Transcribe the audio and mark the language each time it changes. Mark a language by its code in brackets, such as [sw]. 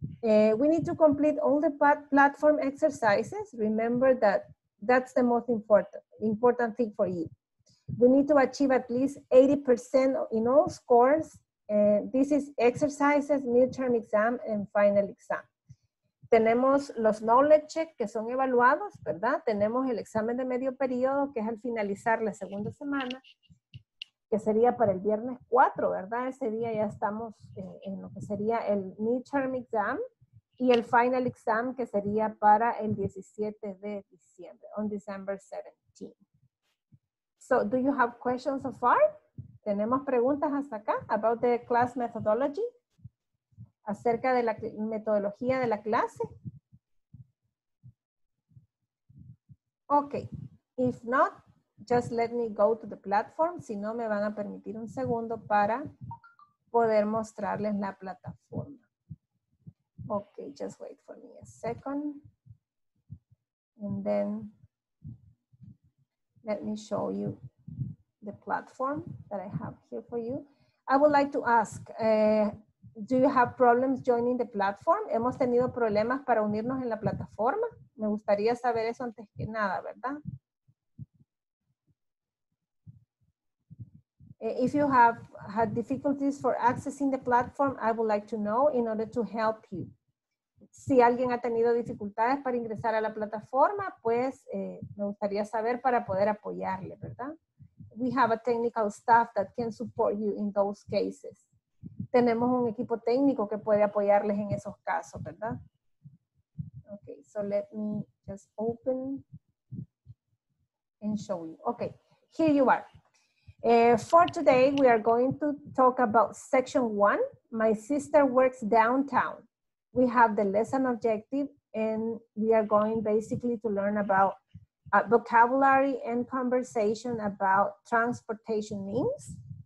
[en] We need to complete all the platform exercises. Remember that that's the most important thing for you. We need to achieve at least 80% in all scores. This is exercises, midterm exam, and final exam. [es] Tenemos los knowledge check que son evaluados, ¿verdad? Tenemos el examen de medio periodo que es al finalizar la segunda semana, que sería para el viernes 4, ¿verdad? Ese día ya estamos en lo que sería el midterm exam y el final exam que sería para el 17 de diciembre, [en] on December 17. So, do you have questions so far? [es] ¿Tenemos preguntas hasta acá? [en] About the class methodology? [es] ¿Acerca de la metodología de la clase? [en] Okay, if not, just let me go to the platform. [es] Si no, me van a permitir un segundo para poder mostrarles la plataforma. [en] Okay, just wait for me a second. And then let me show you the platform that I have here for you. I would like to ask, do you have problems joining the platform? [es] ¿Hemos tenido problemas para unirnos en la plataforma? Me gustaría saber eso antes que nada, ¿verdad? [en] If you have had difficulties for accessing the platform, I would like to know in order to help you. [es] Si alguien ha tenido dificultades para ingresar a la plataforma, pues me gustaría saber para poder apoyarle, ¿verdad? [en] We have a technical staff that can support you in those cases. [es] Tenemos un equipo técnico que puede apoyarles en esos casos, ¿verdad? [en] Okay, so let me just open and show you. Okay, here you are. For today, we are going to talk about section one. My sister works downtown. We have the lesson objective and we are going basically to learn about vocabulary and conversation about transportation means.